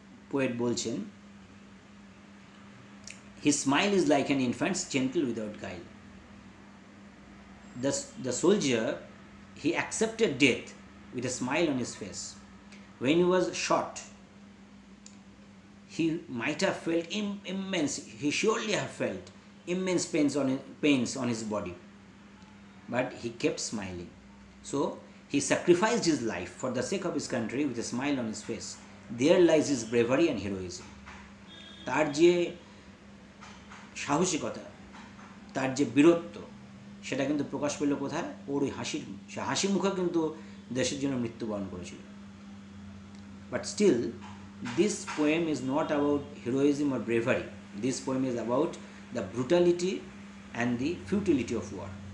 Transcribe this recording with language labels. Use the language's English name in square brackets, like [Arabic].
[English] Poet বলছেন he smile is like an infants gentle without guile, the soldier he accepted death with a smile on his face, when he was shot he might have felt immense, he surely have felt immense pains on his body. But he kept smiling. So he sacrificed his life for the sake of his country with a smile on his face. There lies his bravery and heroism. [Bangla] তার যে সাহসিকতা, তার যে বীরত্ব, সেটা কিন্তু প্রকাশ পেল কোথায়? ওর ওই হাসির, সে হাসি মুখে কিন্তু দেশের জন্য মৃত্যুবরণ করেছিল। [English] But still this poem is not about heroism আর bravery, this poem is about the brutality and the futility of war.